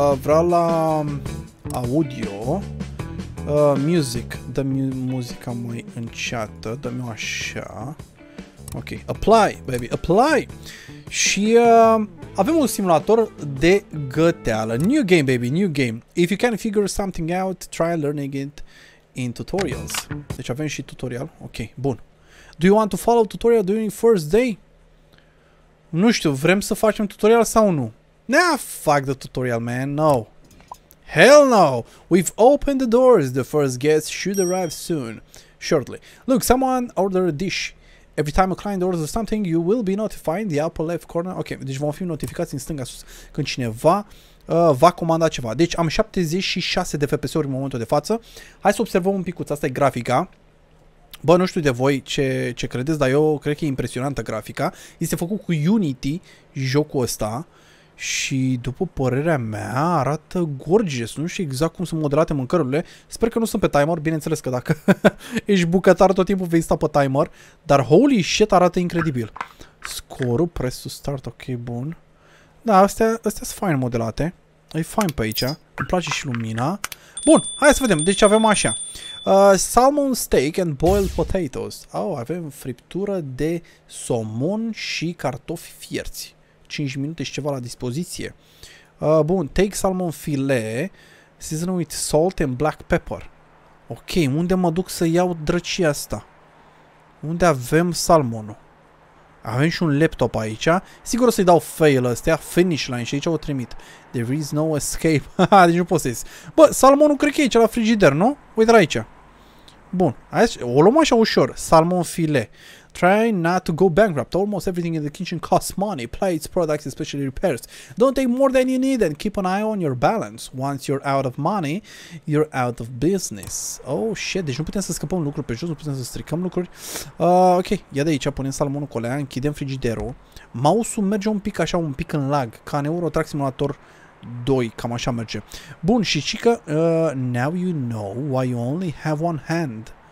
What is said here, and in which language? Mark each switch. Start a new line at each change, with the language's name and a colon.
Romanian: Vreau la audio, music, dă-mi muzica mai înceată, dă-mi așa. Ok, apply, baby, apply! Și avem un simulator de găteală.
English: New game, baby, new game. If you can figure something out, try learning it in tutorials.
Romanian: Deci avem și tutorial, ok, bun.
English: Do you want to follow tutorial during first day?
Romanian: Nu știu, vrem să facem tutorial sau nu?
English: Nah, fuck the tutorial, man, no. Hell no! We've opened the doors, the first guest should arrive soon. Shortly. Look, someone ordered a dish. Every time a client orders something, you will be notified in the upper left corner.
Romanian: Ok, deci vom fi notificați în stânga sus când cineva va comanda ceva. Deci am 76 de FPS-uri în momentul de față. Hai să observăm un picuț, asta e grafica. Bă, nu știu de voi ce credeți, dar eu cred că e impresionantă grafica. Este făcut cu Unity, jocul ăsta. Și după părerea mea, arată gorgeous. Nu știu exact cum sunt moderate mâncărurile. Sper că nu sunt pe timer. Bineînțeles că dacă ești bucătar, tot timpul vei sta pe timer. Dar holy shit, arată incredibil. Scorul, presul start, ok, bun. Da, astea sunt fine modelate. E fine pe aici. Îmi place și lumina. Bun, hai să vedem. Deci avem așa.
English: Salmon steak and boiled potatoes.
Romanian: Oh, avem friptură de somon și cartofi fierți. 5 minute și ceva la dispoziție.
English: Bun, take salmon filet, season with salt and black pepper.
Romanian: Ok, unde mă duc să iau drăcia asta? Unde avem salmonul? Avem și un laptop aici. Sigur o să-i dau fail ăstea, finish line, și aici o trimit. There is no escape. Deci nu pot să ies. Bă, salmonul cred că e aici la frigider, nu? Uite la aici. Bun, aici, o luăm așa ușor. Salmon filet.
English: Try not to go bankrupt. Almost everything in the kitchen costs money. Plates, products, especially repairs. Don't take more than you need and keep an eye on your balance. Once you're out of money, you're out of business. Oh, shit.
Romanian: Deci nu putem să scăpăm lucruri pe jos, nu putem să stricăm lucruri. Ok, ia de aici, punem salmonul cu alea, închidem frigiderul. Mouse-ul merge un pic așa, un pic în lag, ca în Euro Truck Simulator 2, cam așa merge.
English: Bun, și cică, now you know why you only have one hand.